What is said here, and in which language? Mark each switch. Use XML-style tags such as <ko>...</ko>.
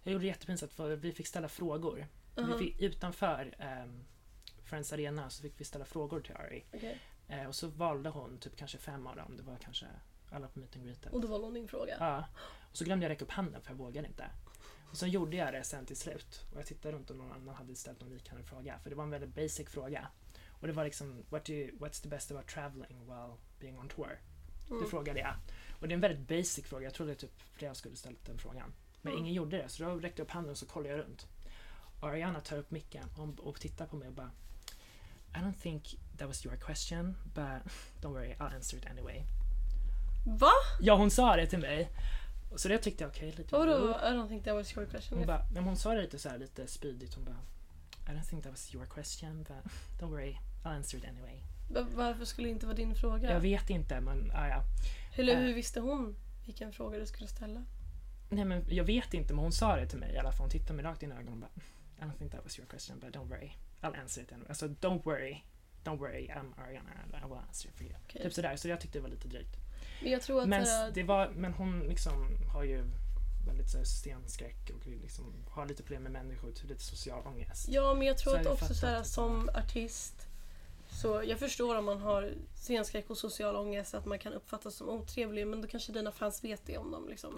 <sv>Jag gjorde det jättepinsamt för vi fick ställa frågor. Vi fick, utanför Friends Arena så fick vi ställa frågor till Ari. Och så valde hon typ kanske 5 av dem. Det var kanske alla på meet and greeten. Och då valde hon din fråga? Ja. Och så glömde jag räcka upp handen för jag vågade inte. Och så gjorde jag det sen till slut. Och jag tittade runt om någon annan hade ställt någon liknande fråga. För det var en väldigt basic fråga. Och det var liksom,</sv> <en>what's the best about traveling while being on tour?</en> <sv>Det frågade jag. Och det är en väldigt basic fråga. Jag trodde typ flera skulle ställa den frågan. Men ingen gjorde det, så då räckte jag upp handen och så kollade jag runt. Ariana tar upp micken och tittar på mig och bara,</sv> <en>I don't think that was your question, but don't worry, I'll answer it anyway.</en> <sv>Va? Ja, hon sa det till mig. Så det tyckte jag okej, lite. Vadå,</sv> <en>I don't think that was your question.</en> <sv>Hon bara, men hon sa det lite så här lite spydigt, hon bara,</sv> <en>I don't think that was your question, but don't worry, I'll answer it anyway.</en> <sv>Varför skulle det inte vara din fråga? Jag vet inte, men ja. Eller hur visste hon vilken fråga du skulle ställa? Nej, men jag vet inte, men hon sa det till mig i alla fall. Hon tittade mig rakt i ögonen och bara,</sv> <en>I don't think that was your question, but don't worry, I'll answer it anyway.</en> <sv>Alltså,</sv> <en>don't worry, I'm Ariana, I will answer it for you. Okay.</en> <sv>Typ sådär, så jag tyckte det var lite drygt. Men jag tror att... Men hon liksom har ju väldigt såhär systemskräck och liksom har lite problem med människor, typ lite social ångest. Ja, men jag tror så att jag också såhär, som artist, så jag förstår om man har scenskräck och social ångest att man kan uppfattas som otrevlig, men då kanske dina fans vet det om dem liksom.</sv>